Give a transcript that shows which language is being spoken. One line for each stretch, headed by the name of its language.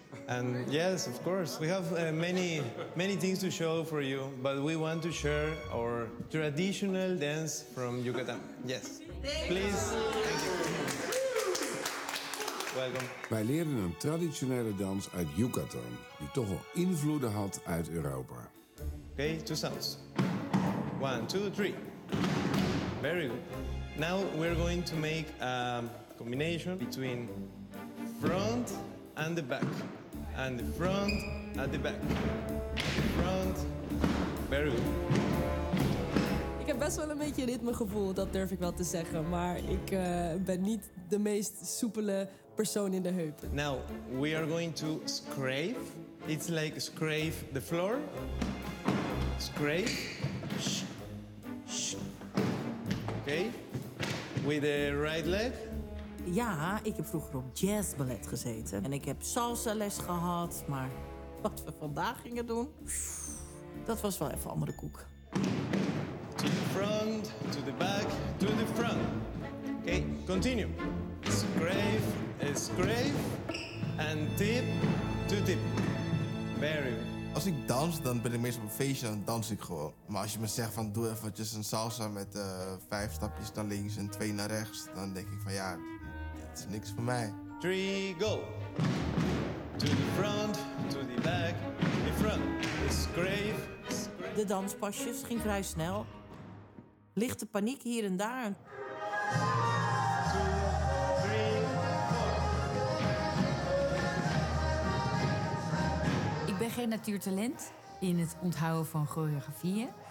English: And yes, of course, we have many things to show for you, but we want to share our traditional dance from Yucatan. Yes, please. Thank you. Welcome.
Dutch: Wij leerden een traditionele dans uit Yucatan, die toch wel invloeden had uit Europa.
English: Okay, two sounds. One, two, three. Very good. Now we're going to make a combination between front and the back. And the front, at the back. Front, very good.
Dutch: Ik heb best wel een beetje ritmegevoel, dat durf ik wel te zeggen. Maar ik ben niet de meest soepele persoon in de heupen.
English: Now, we are going to scrape. It's like scrape the floor. Scrape. Shh. Shh. Okay. With the right leg.
Dutch: Ja, ik heb vroeger op jazzballet gezeten. En ik heb salsa les gehad. Maar wat we vandaag gingen doen, dat was wel even andere koek.
English: To the front, to the back, to the front. Okay, continue. Scrape, scrape. And tip, to tip. Very good.
Dutch: Als ik dans, dan ben ik meestal op een feestje, dan dans ik gewoon. Maar als je me zegt van doe eventjes een salsa met 5 stapjes naar links en 2 naar rechts, dan denk ik van ja, dat is niks voor mij.
English: 3, go. To the front, to the back, the front, the scrape.
Dutch: De danspasjes ging vrij snel. Lichte paniek hier en daar. Ik ben geen natuurtalent in het onthouden van choreografieën.